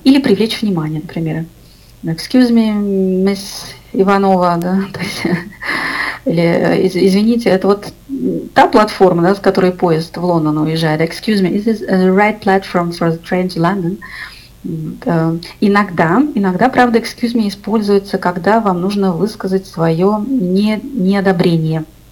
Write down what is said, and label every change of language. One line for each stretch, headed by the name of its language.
Russian: Или привлечь внимание, например. Excuse me, мисс Иванова, да, то есть. Или, извините, это вот та платформа, да, с которой поезд в Лондон уезжает.
English: Excuse me, is this the right platform for the train to London?
Russian: Иногда, правда, excuse me используется, когда вам нужно высказать свое неодобрение.